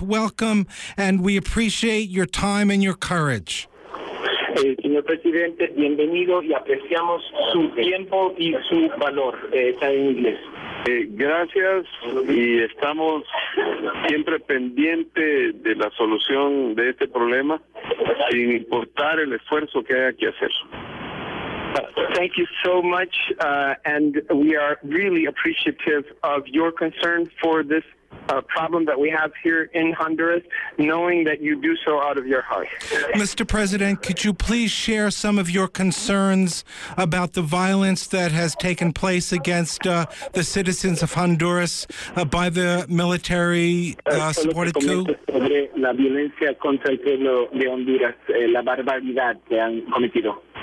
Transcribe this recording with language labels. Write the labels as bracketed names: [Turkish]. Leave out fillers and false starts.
[English] Welcome, and we appreciate your time and your courage. [Spanish] Señor Presidente, bienvenido y apreciamos su tiempo y su valor. Está en inglés. Gracias y estamos siempre pendientes de la solución de este problema, sin importar el esfuerzo que haya que hacer. [English] Thank you so much, and we are really appreciative of your concern for this problem that we have here in Honduras, knowing that you do so out of your heart. Mr. President, could you please share some of your concerns about the violence that has taken place against the citizens of Honduras by the military supported coup? [Spanish] Sobre la violencia contra el pueblo de Honduras, la barbaridad que han cometido.